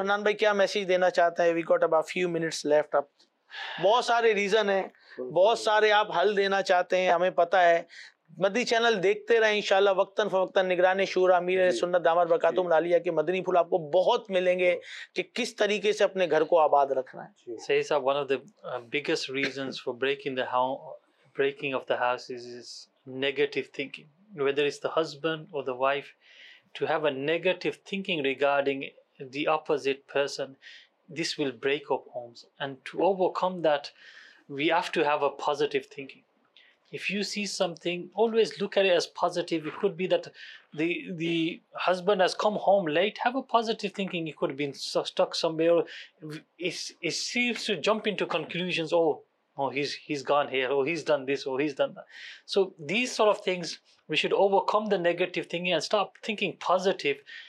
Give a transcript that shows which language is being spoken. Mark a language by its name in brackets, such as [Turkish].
[Urdu] حنان بھائی کیا میسج دینا چاہتے ہیں؟ [English] We got about few minutes left. [Urdu] اپ بہت سارے ریزن ہیں, بہت سارے آپ حل دینا چاہتے ہیں ہمیں پتا ہے. مدنی چینل دیکھتے رہے انشاءاللہ وقتاً فوقتاً. نگران شورا امیر سنت دامر برکاتہم العالیہ کے مدنی پھول آپ کو بہت ملیں گے کہ کس طریقے سے اپنے گھر کو آباد رکھنا ہے. [English] صحیح صاحب, one of the biggest reasons for breaking of the house is negative thinking, whether is the husband or the wife, to have a negative thinking regarding the opposite person, this will break up homes. And to overcome that we have to have a positive thinking. If you see something, always look at it as positive. It could be that the husband has come home late. Have a positive thinking. He could have been stuck somewhere. It seems to jump into conclusions. He's gone here. Oh, he's done this. Oh, he's done that. So these sort of things, we should overcome the negative thinking and start thinking positive.